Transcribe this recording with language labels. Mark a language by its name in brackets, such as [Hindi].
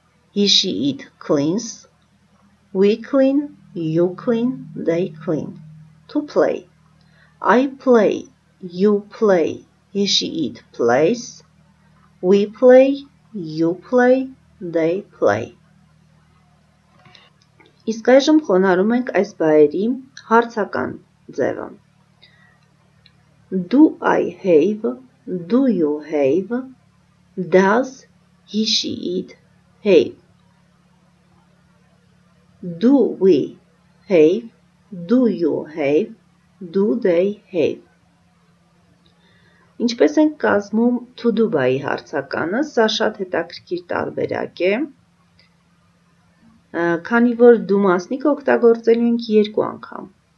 [English] he, she, it, cleans, we clean, you clean, they clean. To play. I play, you play, he, she, it, plays, we play, you play, they play. [Armenian] Իսկ այժմ խոնարհում ենք այս բայերի հարցական ձևը. [English] Do I have, do you have, does he, she, it, have? Do we have, do you have, do they have? [Armenian] Ինչպես ենք կազմում to do by-ի հարցականը, սա շատ հետաքրքիր տարբերակ է, քանի որ դու մասնիկը օգտագործելու ենք երկու անգամ.